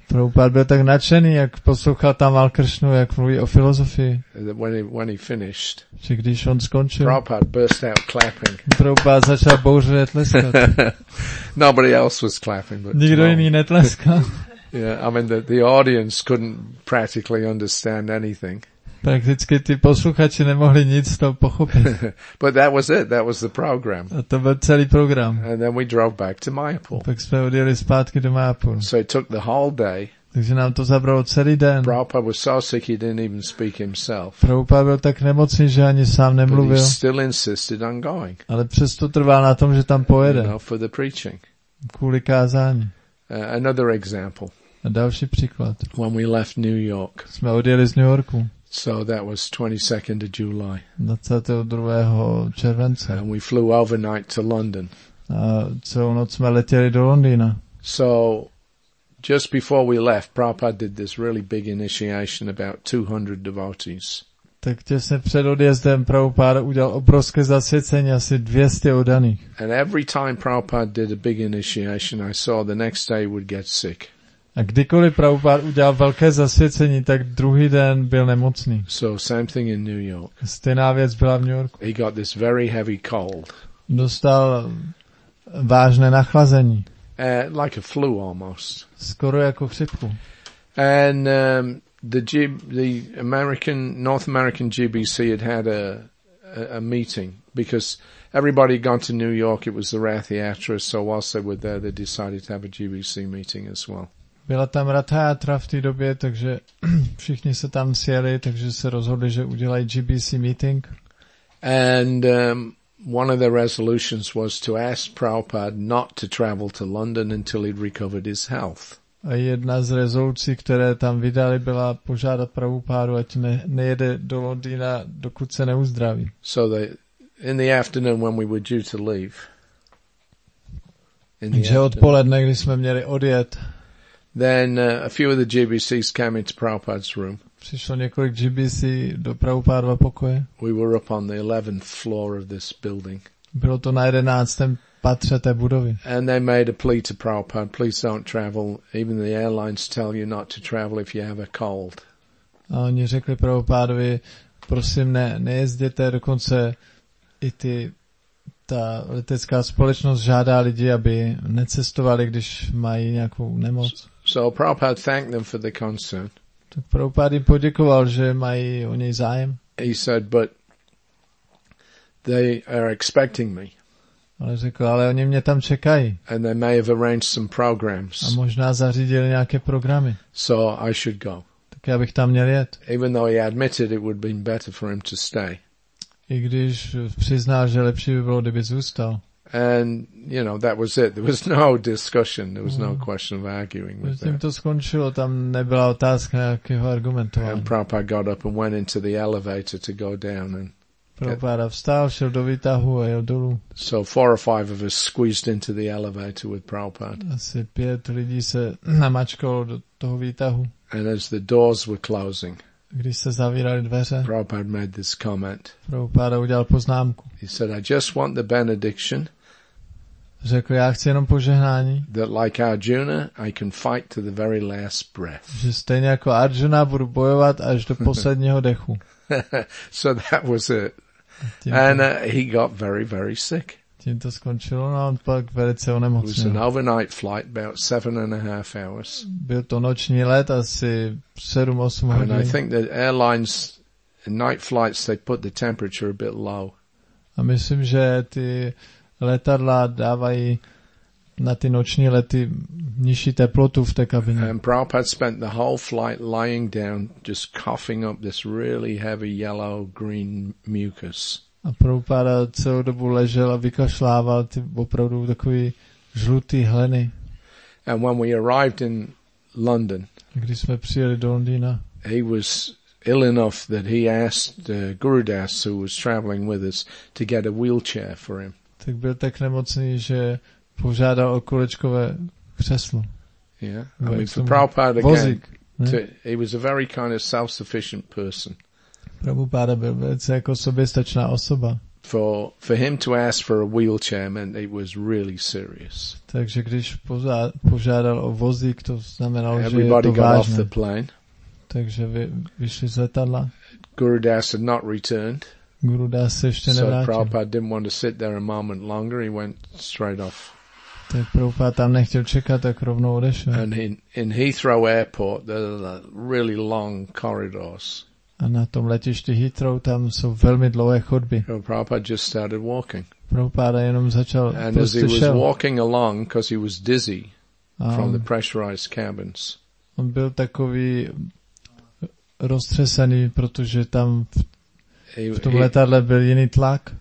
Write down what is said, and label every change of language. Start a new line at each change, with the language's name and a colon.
Czech: Prabhupada byl tak nadšený, jak poslouchal Tamal Krishnu, jak mluví o filozofii.
English: When he finished,
Czech: že když on skončil,
English: Prabhupada burst out clapping.
Czech: Prabhupada začal bouřlivě tleskat.
English: Nobody else was clapping, but
Czech: nikdo jiný netleskal.
English: Yeah, I mean the audience couldn't practically understand anything.
Czech: Prakticky ty posluchači nemohli nic z toho pochopit.
English: But that was it. That was the program.
Czech: A to byl celý program.
English: And then we drove back to Mayapur.
Czech: Tak jsme odjeli zpátky do Mayapur.
English: So it took the whole day.
Czech: Takže nám to zabralo celý den.
English: Prabhupada was so sick he didn't even speak himself.
Czech: Prabhupada byl tak nemocný, že ani sám nemluvil.
English: But he still insisted on going.
Czech: Ale přesto trval na tom, že tam pojede.
English: You know, for the preaching.
Czech: Kvůli kázání.
English: Another example.
Czech: A další příklad.
English: When we left New York.
Czech: Jsme odjeli z New Yorku.
English: So that was 22nd of July.
Czech: 22. července.
English: And we flew overnight to London.
Czech: A celou noc jsme letěli do Londýna.
English: So just before we left, Prabhupada did this really big initiation about 200 devotees.
Czech: Tak těsně před odjezdem Prabhupada udělal obrovské zasvěcení asi 200 oddaných.
English: And every time Prabhupada did a big initiation, I saw the next day would get sick.
Czech: A kdykoliv Prabhupada udělal velké zasvěcení, tak druhý den byl nemocný.
English: So same thing in New York.
Czech: Stejná věc byla v New Yorku.
English: He got this very heavy cold.
Czech: Dostal vážné nachlazení.
English: Like a flu almost.
Czech: Skoro jako chřipku.
English: And the American North American GBC had had a meeting because everybody had gone to New York. It was the Rathiatra, so whilst they were there, they decided to have a GBC meeting as well.
Czech: Byla tam Rathiatra v té době, takže všichni se tam sjeli, takže se rozhodli, že udělají GBC meeting.
English: And one of their resolutions was to ask Prabhupada not to travel to London until he'd recovered his health.
Czech: A jedna z rezolucí, které tam vydali, byla požádat Prabhupádu, ať nejede do Londýna, dokud se neuzdraví.
English: So in the afternoon when we were due to leave.
Czech: Takže odpoledne, když jsme měli odjet.
English: Then a few of the GBCs came into Prabhupada's room.
Czech: Přišlo několik GBC do Prabhupádova pokoje.
English: We were up on the 11th floor of this building.
Czech: Bylo to na 11. patře té budovy.
English: And they made a plea to Prabhupada, please don't travel. Even the airlines tell you not to travel if you have a cold.
Czech: A oni řekli Prabhupádovi, prosím, nejezděte, dokonce i ta letecká společnost žádá lidi, aby necestovali, když mají nějakou nemoc.
English: So Prabhupada thanked them for the concern.
Czech: Tak Prabhupada jim poděkoval, že mají o něj zájem.
English: He said, but they are expecting me.
Czech: Ale řekl, ale oni mě tam čekají.
English: And they may have arranged some programs.
Czech: A možná zařídili nějaké programy.
English: So I should go.
Czech: Tak já bych tam měl jet.
English: Even though he admitted it would be better for him to stay.
Czech: I když přiznal, že lepší by bylo, kdyby zůstal.
English: And you know that was it. There was no discussion. There was no question of arguing with him.
Czech: To skončilo, tam nebyla otázka nějakého argumentování.
English: And Prabhupada got up and went into the elevator to go down and.
Czech: Prabhupada vstal, šel do výtahu a jel dolů.
English: So four or five of us squeezed into the elevator with Prabhupada.
Czech: Asi pět lidí se namačkalo do toho výtahu.
English: And as the doors were closing.
Czech: Když se zavíraly dveře,
English: Prabhupada made this comment.
Czech: Prabhupada udělal poznámku.
English: He said, I just want the benediction.
Czech: Řekl, já chci jenom požehnání.
English: That like Arjuna, I can fight to the very last breath.
Czech: Že stejně jako Arjuna budu bojovat až do posledního dechu.
English: So that was it. And he got very, very sick.
Czech: Tím to skončilo, no on pak velice onemocněl.
English: It was an overnight flight, about 7.5 hours.
Czech: Byl to noční let, asi 7-8 hodin.
English: And I think that airlines, night flights, they put the temperature a bit low.
Czech: A myslím, že ty letadla dávají na ty noční lety nižší teplotu v té kabině.
English: And Prabhupada spent the whole flight lying down, just coughing up this really heavy yellow green mucus.
Czech: A Prabhupada celou dobu ležel a vykašlával ty opravdu takový žlutý hleny.
English: And when we arrived in London,
Czech: když jsme přijeli do Londýna,
English: he was ill enough that he asked Gurudas, who was traveling with us, to get a wheelchair for him.
Czech: Tak byl tak nemocný, že požádal o kolečkové křeslo.
English: He was a very kind of self-sufficient person.
Czech: Prabhupada byl velice jako soběstačná osoba.
English: For him to ask for a wheelchair meant it was really serious.
Czech: Takže když požádal o vozík, to znamenalo, že je to vážné.
English: Everybody got off the plane.
Czech: Takže vyšli z letadla.
English: Gurudas had not returned.
Czech: Gurudas se ještě nevrátil.
English: So Prabhupada didn't want to sit there a moment longer. He went straight off.
Czech: Tak Prabhupada tam nechtěl čekat, tak rovnou odešel.
English: And in Heathrow Airport, there are really long corridors.
Czech: A na tom letišti Heathrow tam jsou velmi dlouhé chodby.
English: So Prabhupada just started walking.
Czech: Prabhupada jenom začal.
English: And
Czech: prostě
English: as he was
Czech: šel.
English: Walking along, because he was dizzy from the pressurized cabins.
Czech: On byl takový roztřesený, protože tam v tom letadle byl jiný tlak.